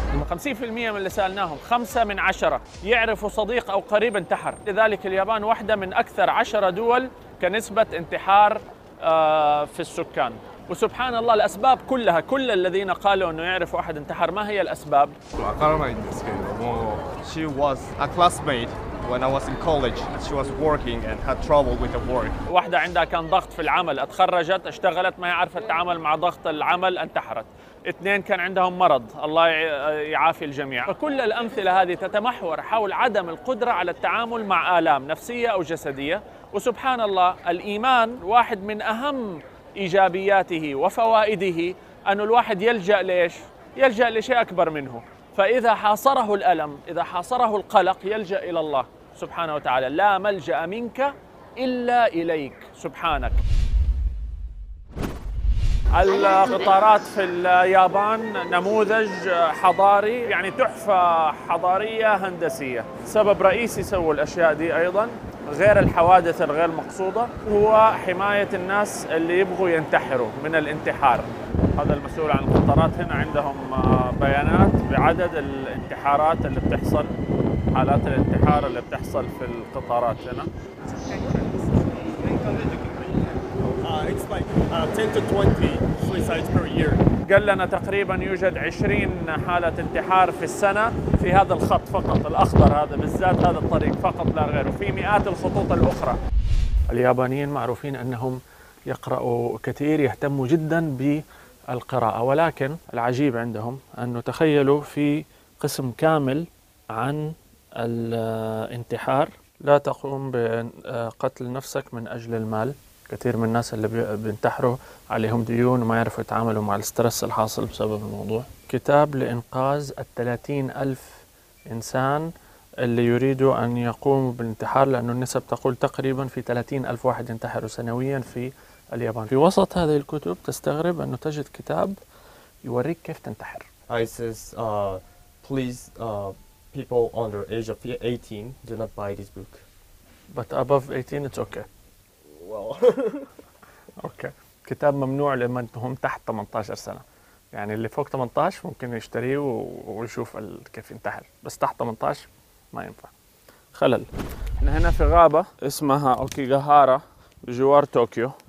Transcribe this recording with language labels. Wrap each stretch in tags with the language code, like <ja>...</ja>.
<ar>50% من اللي سألناهم، 5 من 10 يعرفوا صديق أو قريب انتحر. لذلك اليابان واحدة من أكثر 10 دول كنسبة انتحار في السكان. وسبحان الله الأسباب كلها، كل الذين قالوا إنه يعرفوا أحد انتحر، ما هي الأسباب؟</ar> <en>She was a classmate. When I was in college, she was working and had trouble with the work.</en> <ar>واحدة عندها كان ضغط في العمل، اتخرجت اشتغلت ما يعرف التعامل مع ضغط العمل انتحرت. 2 كان عندهم مرض، الله يعافي الجميع. فكل الأمثلة هذه تتمحور حول عدم القدرة على التعامل مع آلام نفسية أو جسدية. وسبحان الله الإيمان واحد من أهم إيجابياته وفوائده أن الواحد يلجأ ليش؟ يلجأ لشيء أكبر منه. فإذا حاصره الألم، إذا حاصره القلق، يلجأ إلى الله سبحانه وتعالى. لا ملجأ منك إلا إليك سبحانك. القطارات في اليابان نموذج حضاري، يعني تحفة حضارية هندسية. سبب رئيسي سووا الأشياء دي أيضاً غير الحوادث الغير مقصودة هو حماية الناس اللي يبغوا ينتحروا من الانتحار. هذا المسؤول عن القطارات هنا عندهم بيانات بعدد الانتحارات اللي بتحصل، حالات الانتحار اللي بتحصل في القطارات هنا.</ar> <en>It's like 10 to 20 suicides per year.</en> <ar>قال لنا تقريبا يوجد 20 حالة انتحار في السنة في هذا الخط فقط الأخضر، هذا بالذات هذا الطريق فقط لا غير، وفي مئات الخطوط الأخرى. اليابانيين معروفين أنهم يقرأوا كثير، يهتموا جدا ب القراءة. ولكن العجيب عندهم أنه تخيلوا في قسم كامل عن الانتحار. لا تقوم بقتل نفسك من أجل المال. كثير من الناس اللي بينتحروا عليهم ديون وما يعرفوا يتعاملوا مع الاسترس الحاصل بسبب الموضوع. كتاب لإنقاذ 30,000 إنسان اللي يريدوا أن يقوموا بالانتحار، لأنه النسب تقول تقريبا في 30,000 واحد ينتحروا سنويا في اليابان. في وسط هذه الكتب تستغرب أنه تجد كتاب يوريك كيف تنتحر.</ar> <en>ISIS, please, people under age of 18, do not buy this book. But above 18, it's okay. Well. okay.</en> <ar>كتاب ممنوع لمن هم تحت 18 سنة. يعني اللي فوق 18 ممكن يشتريه ويشوف كيف ينتحر. بس تحت 18 ما ينفع. خلل. احنا هنا في غابة اسمها أوكيغاهارا بجوار طوكيو.</ar>